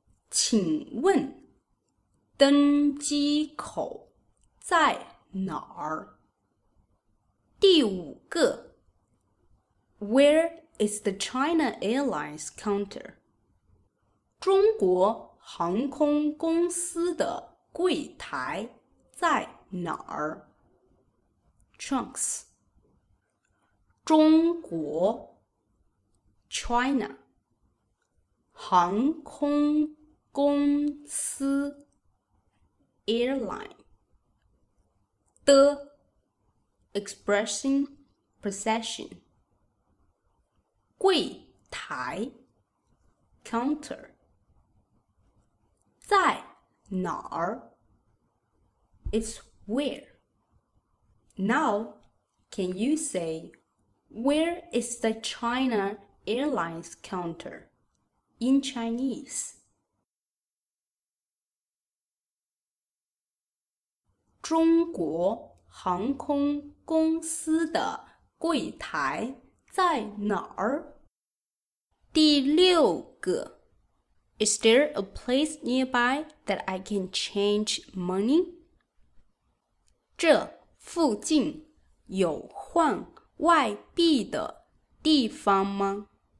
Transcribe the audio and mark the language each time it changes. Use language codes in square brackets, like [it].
[zh] 请问登机口在哪儿? 第五个 [en] Where is the China Airlines counter? [zh] 中国航空公司的柜台在哪儿? [en] Trunks [zh] 中国 [en] China [zh] 航空公司 [en] Airline [zh] 的 [en] Expressing possession [zh] 柜台 [en] Counter [zh] 在哪儿? [en] It's where. Now, can you say, where is the China Airlines counter in Chinese? [zh] 中国航空公司的柜台在哪儿? 第六个。 [en] Is there a place nearby that I can change money? [zh] 这附近有换外币的地方吗？